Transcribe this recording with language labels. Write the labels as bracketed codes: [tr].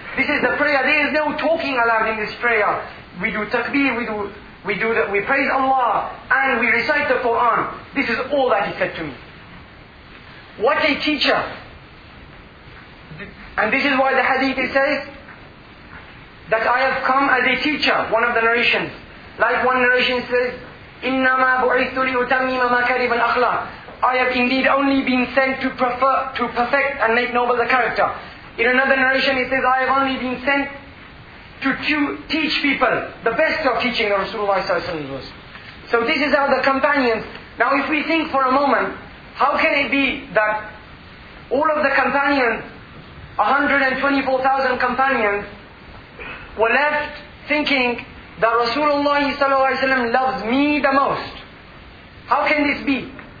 [en] This is the prayer, there is no talking allowed in this prayer. We do takbir, we praise Allah, and we recite the Qur'an. This is all that he said to me." What a teacher! And this is why the hadith says, that I have come as a teacher, one of the narrations. Like one narration says, [ar] إِنَّمَا بُعِثُ لِيُتَمِّمَ مَكَارِبَ الْأَخْلَاقِ. [en] I have indeed only been sent to perfect and make noble the character. In another narration it says, I have only been sent to teach people the best of teaching that Rasulullah was. So this is how the companions... Now if we think for a moment, how can it be that all of the companions, 124,000 companions, were left thinking that Rasulullah ﷺ loves me the most? How can this be?